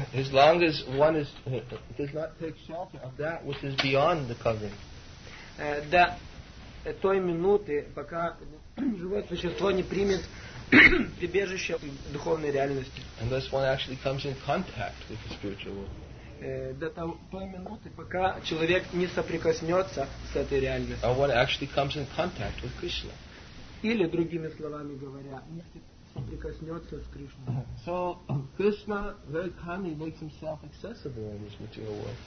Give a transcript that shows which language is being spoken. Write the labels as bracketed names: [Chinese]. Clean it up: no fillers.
[English] As long as one is does not take shelter of that which is beyond the covering. [Russian] До той минуты, пока живое существо не примет прибежище духовной реальности. [English] And thus one actually comes in contact with the spiritual world. [Russian] До той минуты, пока человек не соприкоснется с этой реальностью. [English] Or one actually comes in contact with Krishna. [Russian] Или другими словами говоря, не соприкоснется с Кришной. [English] So Krishna very kindly makes himself accessible in this material world.